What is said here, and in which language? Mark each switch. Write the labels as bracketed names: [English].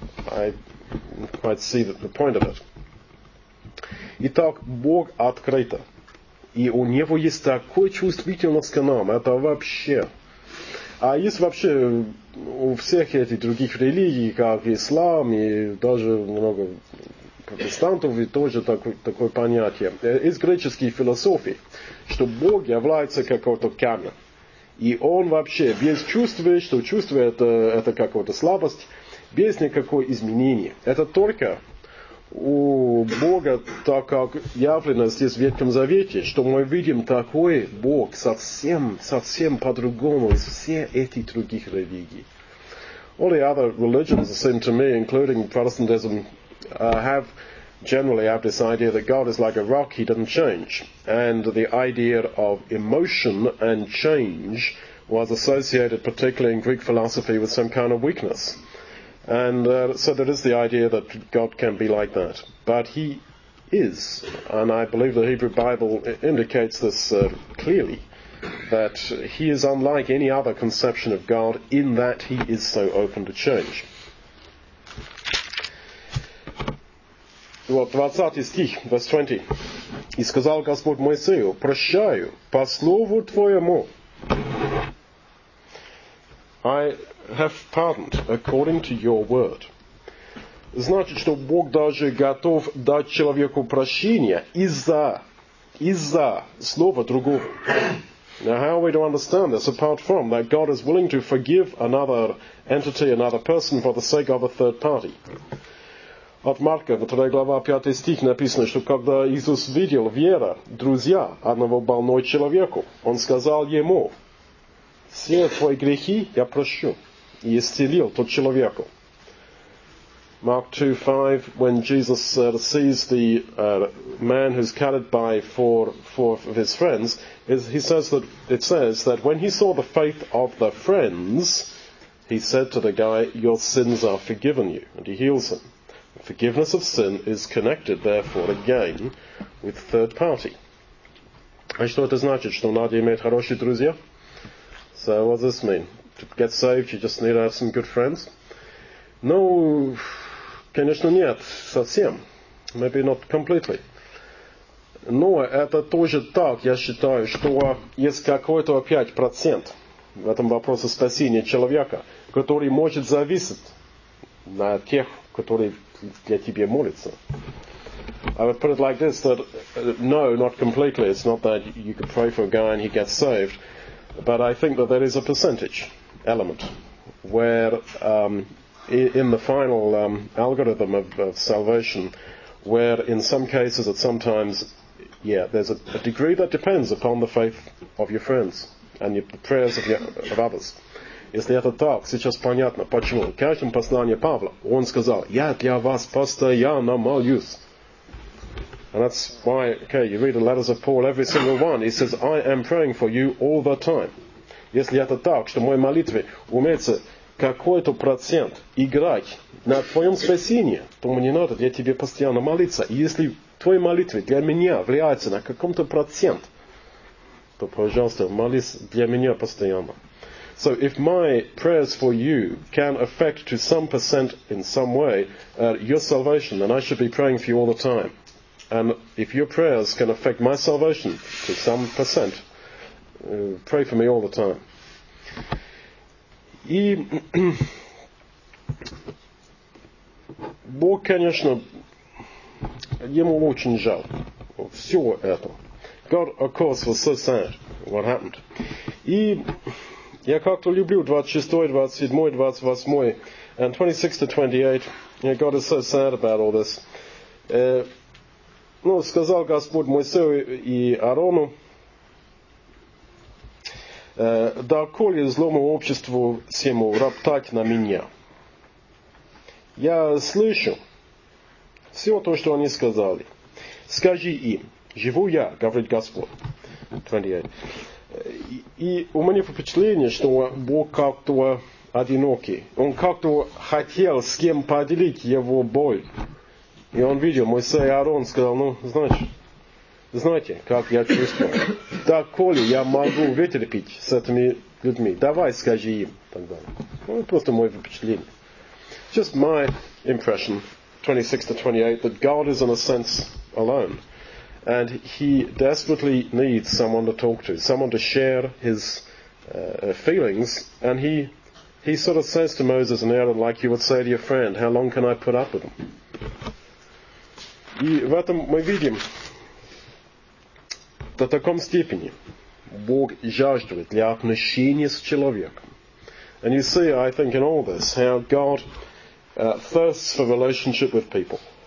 [English] I quite see the point of it. [Russian] Итак, Бог открыт, и у Него есть такая чувствительность к нам, это вообще. А есть вообще у всех этих других религий, как ислам, и даже много протестантов, и тоже такое понятие. Из греческой философии, что Бог является какой-то камнем. И он вообще без чувства, что чувство это какая-то слабость, без никакого изменения. Это только у Бога, так как явлено здесь в Ветхом Завете, что мы видим такой Бог совсем, совсем по-другому из всех этих других религий. [English] All the other religions seem to me, including Protestantism, have generally have this idea that God is like a rock, he doesn't change. And the idea of emotion and change was associated particularly in Greek philosophy with some kind of weakness. And so there is the idea that God can be like that. But he is, and I believe the Hebrew Bible indicates this clearly, that he is unlike any other conception of God in that he is so open to change. [Russian] Вот 20 стих, [English] verse 20. [Russian] «И сказал Господь Моисею, прощаю по слову твоему». [English] I have pardoned according to your word. [Russian] Значит, что Бог даже готов дать человеку прощение из-за слова другого. [English] Now how are we to understand this apart from that God is willing to forgive another entity, another person for the sake of a third party? [Russian] От Марка, 2 глава, 5 стих написано, что когда Иисус видел веру друзья одного больного человека, он сказал ему, все твои грехи я прощу, и исцелил тот человеку. [English] Mark 2:5, when Jesus sees the man who's carried by four of his friends, it says that when he saw the faith of the friends, he said to the guy, your sins are forgiven you, and he heals him. Forgiveness of sin is connected, therefore, again, with third party. [Russian] А что это значит, что надо иметь хорошие друзья? [English] So what does this mean? To get saved, you just need to have some good friends? No, [Russian] конечно нет, совсем. [English] Maybe not completely. [Russian] Но это тоже так, я считаю, что есть какой-то опять процент в этом вопросе спасения человека, который может зависеть на тех, которые для тебя молится. [English] I would put it like this, that no, not completely. It's not that you could pray for a guy and he gets saved. But I think that there is a percentage element where in the final algorithm of salvation, where in some cases at some times, yeah, there's a degree that depends upon the faith of your friends and the prayers of others. [Russian] Если это так, сейчас понятно, почему. В каждом послании Павла он сказал, я для вас постоянно молюсь. [English] And that's why, okay, you read the letters of Paul, every single one, he says, I am praying for you all the time. [Russian] Если это так, что в моей молитве умеется какой-то процент играть на твоем спасении, то мне надо для тебя постоянно молиться. И если твои молитвы для меня влияются на каком-то процент, то, пожалуйста, молись для меня постоянно. [English] So if my prayers for you can affect to some percent in some way your salvation, then I should be praying for you all the time. And if your prayers can affect my salvation to some percent, pray for me all the time. [Russian] И Бог, конечно, ему очень жаль все это. [English] God, of course, was so sad what happened. [Russian] И я как-то люблю 26, 27, 28, [English] and 26 to 28. Yeah, God is so sad about all this. [Russian] Ну, сказал Господь Моисею и Аарону, доколе злому обществу всему роптать на меня. Я слышу все то, что они сказали. Скажи им, живу я, говорит Господь. 28. И у меня впечатление, что Бог как-то одинокий. Он как-то хотел с кем поделить его боль. И он видел, Моисей и Аарон сказал, ну, знаешь, знаете, как я чувствую. Так, коли я могу вытерпеть с этими людьми, давай скажи им. Тогда. Ну, просто мое впечатление. [English] Just my impression, 26 to 28, that God is in a sense alone. And he desperately needs someone to talk to, someone to share his feelings. And he sort of says to Moses and Aaron, like you would say to your friend, how long can I put up with them? [Russian] И в этом мы видим, до таком степени Бог жаждет для отношения с человеком. [English] And you see, I think, in all this, how God thirsts for relationship with people.